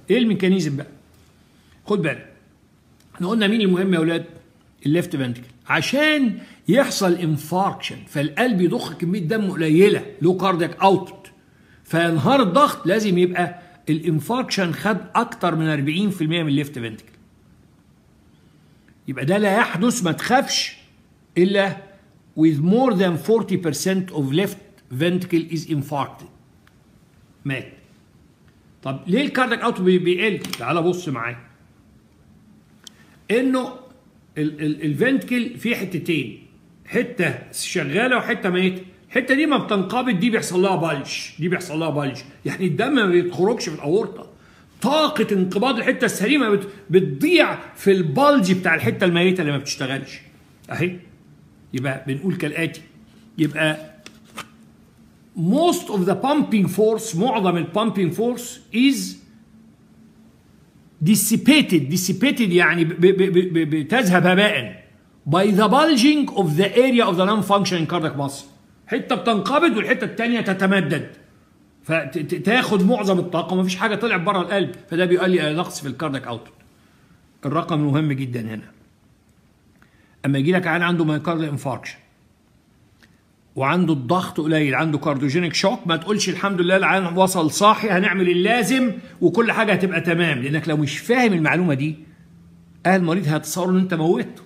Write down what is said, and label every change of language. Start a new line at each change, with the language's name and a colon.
Arabic: ايه الميكانيزم بقى؟ خد بالك احنا قلنا مين المهم يا اولاد؟ الليفت فنتريكل. عشان يحصل انفاركشن فالقلب يضخ كميه دم قليله لو كاردياك اوتبوت فينهار الضغط، لازم يبقى الانفاركشن خد اكتر من 40% من الليفت فنتريكل. يبقى ده لا يحدث ما تخافش الا
English: with more than 40% of left ventricle is infarcted.
Arabic: مات. طب ليه الكاردياك اوت بيقل؟ تعال بص معايا. انه الفنتكل في حتتين، حته شغاله وحته ميت. الحته دي ما بتنقبض، دي بيحصل لها بلش، دي بيحصل لها بلش، يعني الدم ما بيتخرجش في الاورطه. طاقه انقباض الحته السليمه بتضيع في البلج بتاع الحته الميته اللي ما بتشتغلش. اهي. يبقى بنقول كالآتي، يبقى
English: most of the pumping force،
Arabic: معظم
English: البامبينج force is dissipated. dissipated
Arabic: يعني بتذهب هباء
English: by the bulging of the area of the non-functioning cardiac muscle.
Arabic: حتة بتنقبض والحتة التانية تتمدد فتاخد معظم الطاقة، ما فيش حاجة طلع برا القلب، فده بيقول لي نقص في الكارديك أوتبوت. الرقم مهم جدا هنا. اما يجي لك عيان عنده مايوكارديال انفاركشن وعنده الضغط قليل، عنده كارديوجينيك شوك، ما تقولش الحمد لله العيان وصل صاحي هنعمل اللازم وكل حاجه هتبقى تمام، لانك لو مش فاهم المعلومه دي اهل المريض هيتصوروا ان انت موتت.